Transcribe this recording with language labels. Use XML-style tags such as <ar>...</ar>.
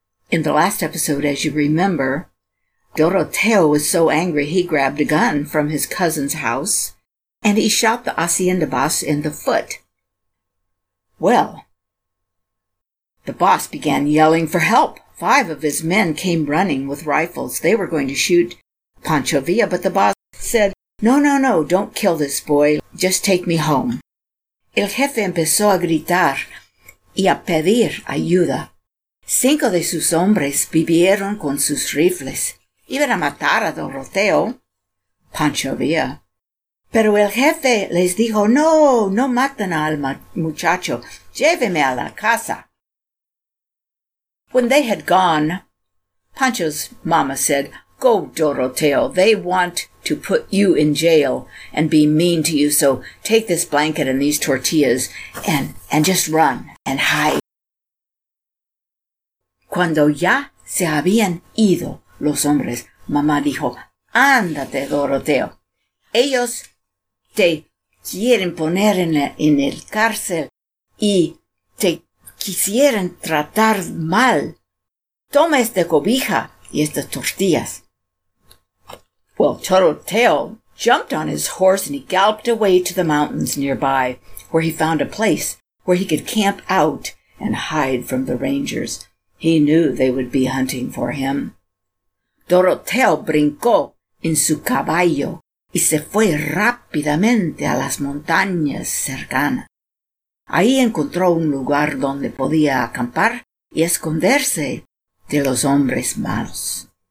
<en>In the last episode, as you remember, Doroteo was so angry he grabbed a gun from his cousin's house, and he shot the hacienda boss in the foot. Well, the boss began yelling for help. Five of his men came running with rifles. They were going to shoot Pancho Villa, but the boss said, "No, no, no, don't kill this boy. Just take me home."</en> <es>El jefe empezó a gritar y a pedir ayuda. Cinco de sus hombres vivieron con sus rifles. Iban a matar a Doroteo, Pancho Villa. Pero el jefe les dijo, "No, no maten al muchacho. Lléveme a la casa."</es> <en>When they had gone, Pancho's mama said, "Go, Doroteo. They want to put you in jail and be mean to you. So take this blanket and these tortillas and just run and hide."</en> <es>Cuando ya se habían ido los hombres, mamá dijo, "Ándate, Doroteo. Ellos te quieren poner en el cárcel y te quisieran tratar mal. Toma esta cobija y estas tortillas."</es> <en>Well, Doroteo jumped on his horse and he galloped away to the mountains nearby, where he found a place where he could camp out and hide from the rangers. He knew they would be hunting for him.</en> <es>Doroteo brincó en su caballo y se fue rápidamente a las montañas cercanas. Ahí encontró un lugar donde podía acampar y esconderse de los hombres malos.</es>